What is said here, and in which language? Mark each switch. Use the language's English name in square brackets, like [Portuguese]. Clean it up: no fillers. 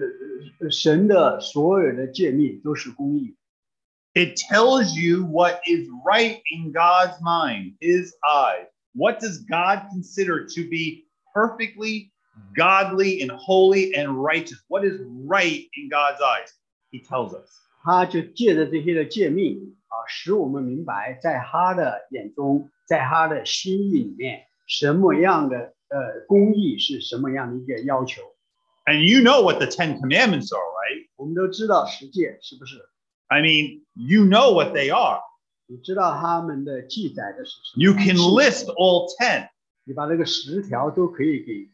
[Chinese] 所以圣经上说，他神的所有的诫命都是公义。 [English] It tells you what is right in God's mind, His eyes. What does God consider to be perfectly godly and holy and righteous? What is right in God's eyes? He tells us. [Chinese] 他就借着这些的诫命，使我们明白，在他的眼中，在他的心里面，什么样的公义是什么样的一个要求。 [English] And you know what the Ten Commandments are, right? [Chinese] 我们都知道十诫，是不是？ [English] I mean, you know what they are. [Chinese] 你知道他们的记载的是什么？ [English] You can list all ten. [Chinese] 你把那个十条都可以给。